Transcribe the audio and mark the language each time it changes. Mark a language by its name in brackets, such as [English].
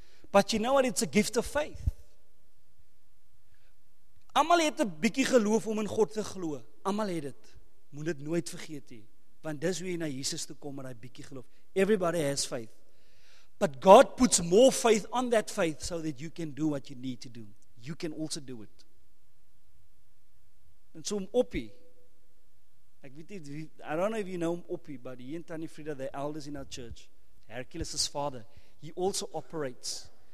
[English] But you know what, it's a gift of faith. [Afrikaans] Almal het 'n bietjie geloof om in God te glo. Almal het dit. Moet dit nooit vergeet nie. Want dis hoe jy na Jesus toe kom met daai bietjie geloof. [English] Everybody has faith. But God puts more faith on that faith so that you can do what you need to do. You can also do it. [Afrikaans] En so Oppie. Ek weet nie, [English] I don't know if you know Oppie, but he and Tani Frida, the elders in our church, Hercules' father, he also operates.